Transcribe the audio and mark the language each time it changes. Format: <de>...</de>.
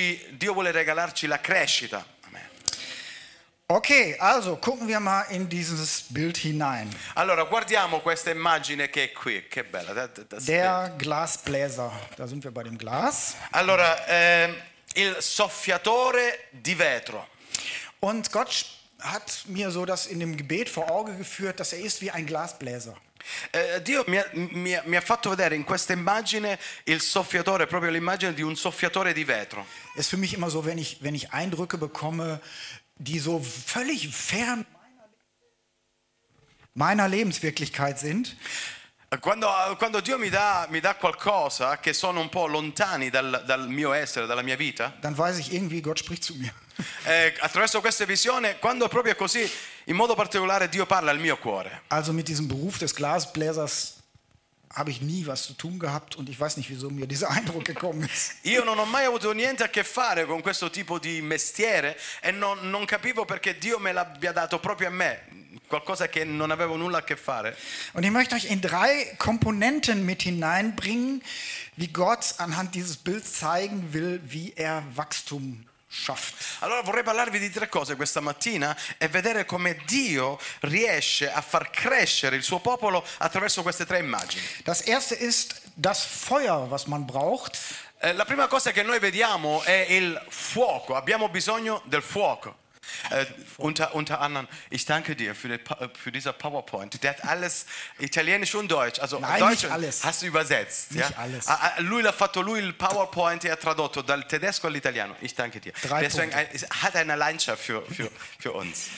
<it>Dio vuole regalarci la crescita. Amen.</it> <de>Okay, also gucken wir mal in dieses Bild hinein.</de> <it>Allora, guardiamo questa immagine che è qui. Che bella.</it> <de>Der Glasbläser. Da sind wir bei dem Glas.</de> <it>Allora, il soffiatore di vetro.</it> <de>Und Gott hat mir so das in dem Gebet vor Auge geführt, dass er ist wie ein Glasbläser.</de> <it>Dio mi ha fatto vedere in questa immagine il soffiatore, proprio l'immagine di un soffiatore di vetro. È per me</it> <de>immer so, wenn ich Eindrücke bekomme, die so völlig fern meiner Lebenswirklichkeit sind.</de> <it>Quando Dio mi dà qualcosa che sono un po' lontani dal mio essere, dalla mia vita,</it> <de>dann weiß ich irgendwie, Gott spricht zu mir.</de> <it>Attraverso questa visione, quando proprio così, in modo particolare, Dio parla al mio cuore.</it> <de>Also mit diesem Beruf des Glasbläsers habe ich nie was zu tun gehabt und ich weiß nicht, wieso mir dieser Eindruck gekommen ist.</de> <it>Io non ho mai avuto niente a che fare con questo tipo di mestiere e non capivo perché Dio me l'abbia dato proprio a me. Qualcosa che non avevo nulla a che fare.</it> <de>Und ich möchte euch in drei Komponenten mit hineinbringen, wie Gott anhand dieses Bild zeigen will, wie er Wachstum schafft.</de> <it>Allora vorrei parlarvi di tre cose questa mattina e vedere come Dio riesce a far crescere il suo popolo attraverso queste tre immagini.</it> <de>Das erste ist das Feuer, was man braucht.</de> <it>La prima cosa che noi vediamo è il fuoco. Abbiamo bisogno del fuoco.</it> <de>Unter anderem, ich danke dir für dieser PowerPoint. Der hat alles Italienisch und Deutsch, also nein, Deutsch alles. Hast du übersetzt. Nicht ja? Alles.</de> <it>Lui l'ha fatto, lui il PowerPoint e ha tradotto dal tedesco all'italiano.</it> <de>Ich danke dir. Drei deswegen Punkte. Hat eine Leidenschaft für uns.</de>